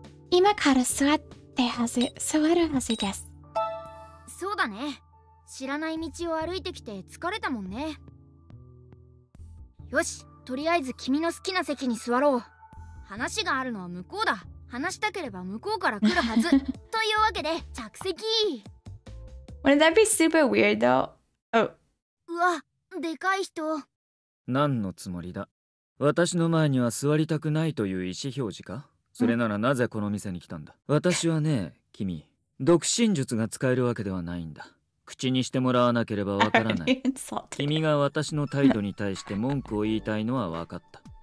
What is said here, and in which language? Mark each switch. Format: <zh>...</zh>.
<ja>今から座ってはず、座るはずです。そうだね。知らない道を歩いてきて疲れたもんね。よし、とりあえず君の好きな席に座ろう。話があるのは向こうだ。話したければ向こうから来るはず。というわけで着席。</ja> <en>Wouldn't that be super weird though?</en> <ja>うわ、でかい人。何のつもりだ。私の前には座りたくないという意思表示か。それならなぜこの店に来たんだ。私はね、君、独身術が使えるわけではないんだ。口にしてもらわなければわからない。君が私の態度に対して文句を言いたいのはわかった。</ja>